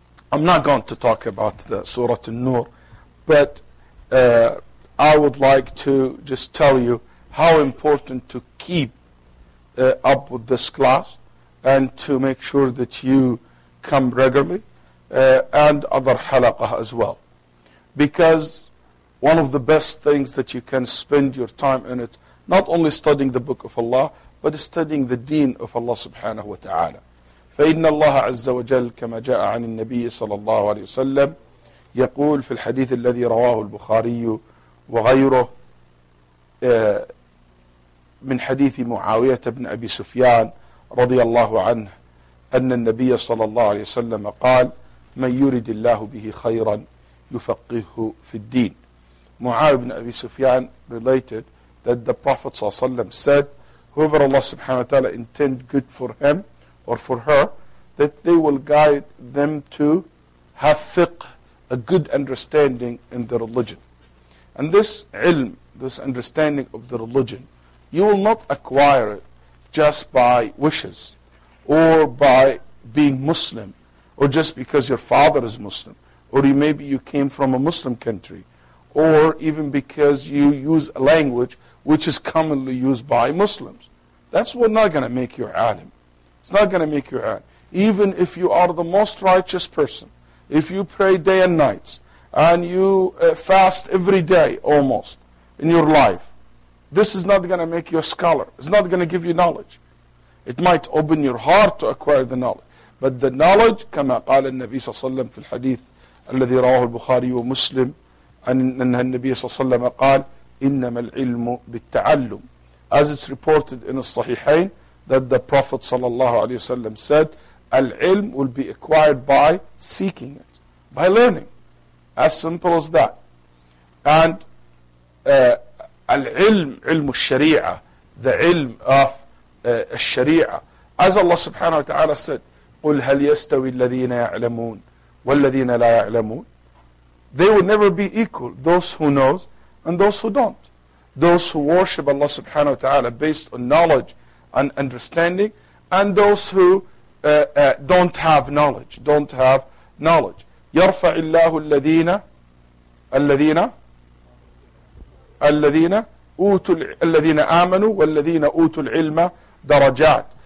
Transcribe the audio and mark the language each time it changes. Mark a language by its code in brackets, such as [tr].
[en] I'm not going to talk about the Surah An-Nur, but I would like to just tell you how important to keep up with this class and to make sure that you come regularly and other halaqah as well. Because one of the best things that you can spend your time in it, not only studying the book of Allah, but studying the deen of Allah subhanahu wa ta'ala. [ar] فَإِنَّ اللَّهَ عَزَّ وَجَلْ كَمَا جَاءَ عَنِ النَّبِيِّ صَلَى اللَّهُ عَلَيْهِ وَسَلَّمْ يقول في الحديث الذي رواه البخاري وغيره من حديث معاوية بن أبي سفيان رضي الله عنه أن النبي صلى الله عليه وسلم قال من يرد الله به خيرا يفقهه في الدين. [en] Mu'awiyah ibn Abi Sufyan related that the Prophet ﷺ said, whoever Allah subhanahu wa ta'ala intend good for him or for her, that they will guide them to have fiqh, a good understanding in the religion. And this ilm, this understanding of the religion, you will not acquire it just by wishes or by being Muslim or just because your father is Muslim, or maybe you came from a Muslim country, or even because you use a language which is commonly used by Muslims. That's what not going to make you alim. It's not going to make you alim. Even if you are the most righteous person, if you pray day and night, and you fast every day almost in your life, this is not going to make you a scholar. It's not going to give you knowledge. It might open your heart to acquire the knowledge. But the knowledge, [ar] كما قال النبي صلى الله عليه وسلم في الحديث الذي رواه البخاري ومسلم أن النبي صلى الله عليه وسلم قال إنما العلم بالتعلم. [en] As it's reported in the Sahihain that the Prophet [ar] صلى الله عليه وسلم [en] said, العلم will be acquired by seeking it, by learning. As simple as that. [ar] And العلم, علم الشريعة, the علم of الشريعة. [en] As Allah subhanahu wa ta'ala said, [ar] قُلْ هَلْ يَسْتَوِي الَّذِينَ يَعْلَمُونَ وَالَّذِينَ لَا يَعْلَمُونَ. [en] They will never be equal, those who knows and those who don't. Those who worship Allah subhanahu wa ta'ala based on knowledge and understanding, and those who don't have knowledge, don't have knowledge. [ar] يَرْفَعِ اللَّهُ الَّذِينَ أُوتُوا الَّذِينَ آمَنُوا وَالَّذِينَ أُوتُوا الْعِلْمَ دَرَجَاتِ.